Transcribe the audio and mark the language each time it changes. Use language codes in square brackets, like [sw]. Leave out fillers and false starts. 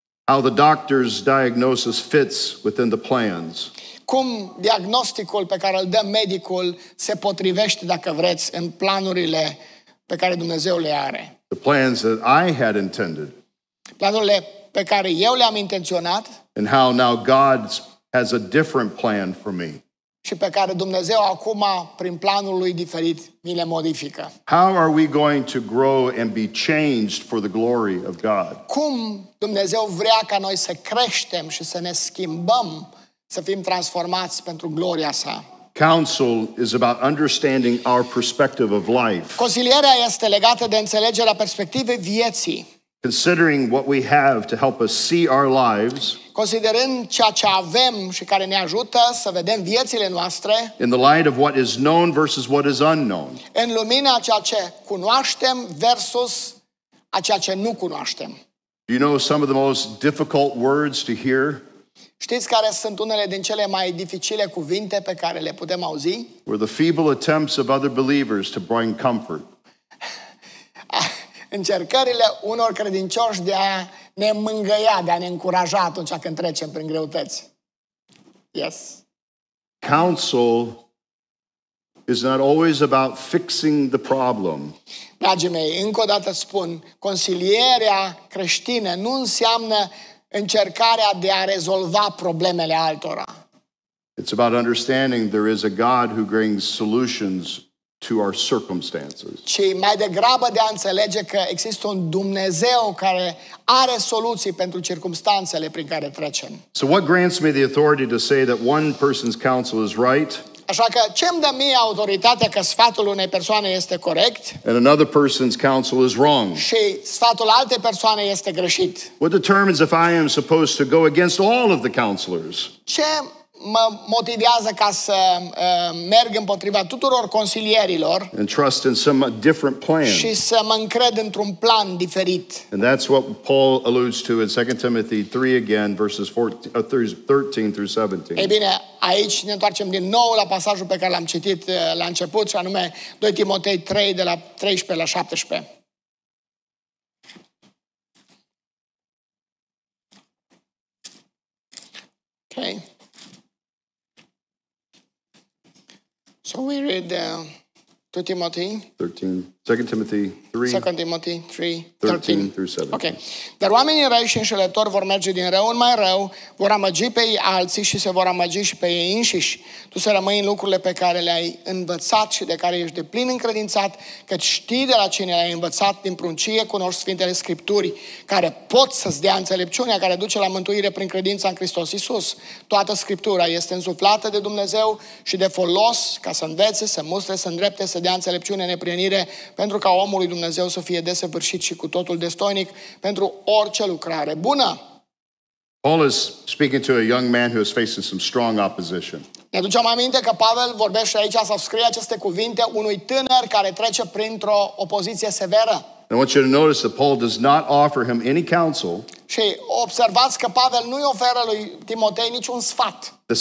[en] How the doctor's diagnosis fits within the plans. [ro] Cum diagnosticul pe care îl dă medicul se potrivește, dacă vreți, în planurile pe care Dumnezeu le are. [en] The plans that I had intended. [ro] Planurile pe care eu le-am intenționat. [en] And how now God has a different plan for me. [ro] Și pe care Dumnezeu acum, prin planul lui diferit, mi le modifică. [en] How are we going to grow and be changed for the glory of God? [ro] Cum Dumnezeu vrea ca noi să creștem și să ne schimbăm, să fim transformați pentru gloria sa? [en] Counsel is about understanding our perspective of life. [ro] Consilierea este legată de înțelegerea perspectivei vieții. [en] Considering what we have to help us see our lives. [ro] Considerând ceea ce avem și care ne ajută să vedem viețile noastre. [en] In the light of what is known versus what is unknown. [ro] În lumina ceea ce cunoaștem versus a ceea ce nu cunoaștem. [en] You know some of the most difficult words to hear? [ro] Știți care sunt unele din cele mai dificile cuvinte pe care le putem auzi? [en] Were the feeble attempts of other believers to bring comfort. [ro] Încercările unor credincioși de a ne mângâia, de a ne încuraja atunci când trecem prin greutăți. [en] Yes. Counsel is not always about fixing the problem. [ro] Dragii mei, încă o dată spun, consilierea creștină nu înseamnă încercarea de a rezolva problemele altora. [en] It's about understanding there is a God who brings solutions to our circumstances. [ro] Ci mai degrabă de a înțelege că există un Dumnezeu care are soluții pentru circumstanțele prin care trecem. [en] So what grants me the authority to say that one person's counsel is right? [ro] Așa că ce-mi dă mie autoritatea că sfatul unei persoane este corect? [en] And another person's counsel is wrong. [ro] Și sfatul altei persoane este greșit. [en] What determines if I am supposed to go against all of the counselors? [ro] Ce mă motivează ca să merg împotriva tuturor consilierilor [en] and trust in some different plan. [ro] Și să mă încred într-un plan diferit. [en] And that's what Paul alludes to in 2 Timothy 3 again, verses 13 through 17. [ro] Ei bine, aici ne întoarcem din nou la pasajul pe care l-am citit la început, și anume 2 Timotei 3, de la 13 la 17. [en] Ok. So we read 2 Timothy 13, 2 Timothy 3, 2 Timothy 3, 13 through 17. Okay. [ro] Dar oamenii răi și înșelători vor merge din rău în mai rău, vor amăgi pe ei alții și se vor amăgi și pe ei înșiși. Tu să rămâi în lucrurile pe care le-ai învățat și de care ești deplin încredințat, că știi de la cine le-ai învățat, din pruncie cunoști Sfintele Scripturi, care pot să-ți dea înțelepciunea care duce la mântuire prin credința în Hristos Iisus. Toată Scriptura este însuflată de Dumnezeu și de folos ca să învețe, să mustre, să îndrepte, să dea înțelepciune, neprienire, pentru ca omului Dumnezeu să fie desăvârșit și cu totul destoinic pentru orice lucrare bună. [en] Paul is speaking to a young man who is facing some strong opposition. [ro] Ne aducem aminte că Pavel vorbește aici sau scrie aceste cuvinte unui tânăr care trece printr-o opoziție severă. [en] I want you to notice that Paul does not offer him any counsel. [ro] Și observați că Pavel nu-i oferă lui Timotei niciun sfat.